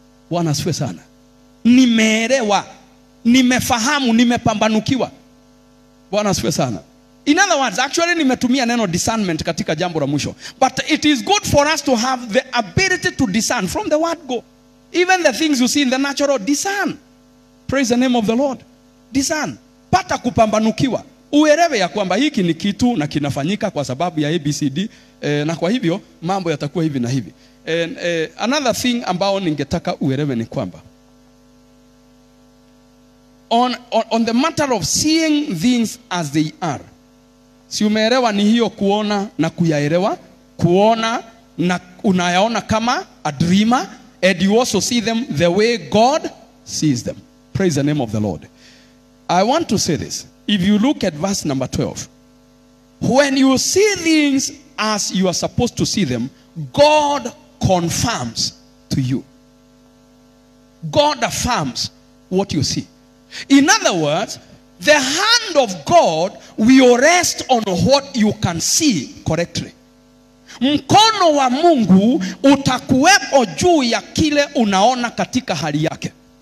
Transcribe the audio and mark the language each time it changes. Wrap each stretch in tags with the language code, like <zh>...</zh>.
<sw>Wana sifa sana. Nimeelewa, nimefahamu, nimepambanukiwa. Wana sifa sana.</sw> <en>In other words, actually</en> <sw>nimetumia neno discernment katika jambo la mwisho.</sw> <en>But it is good for us to have the ability to discern from the word go. Even the things you see in the natural, discern. Praise the name of the Lord. Discern.</en> <sw>Pata kupambanukiwa. Uerewe ya kwamba hiki ni kitu na kinafanyika kwa sababu ya ABCD. Na kwa hivyo, mambo yatakuwa hivi na hivi.</sw> <en>Another thing</en> <sw>ambao ningetaka uerewe ni kwamba.</sw> <en>on the matter of seeing things as they are.</en> <sw>Si umeelewa ni hiyo kuona na kuyaelewa, kuona na unayaona kama</sw> <en>a dreamer, and you also see them the way God sees them. Praise the name of the Lord. I want to say this. If you look at verse number 12, when you see things as you are supposed to see them, God confirms to you. God affirms what you see. In other words, the hand of God will rest on what you can see correctly.</en> <sw>Mkono wa Mungu utakuwepo juu ya kile unaona katika hali yake.</sw>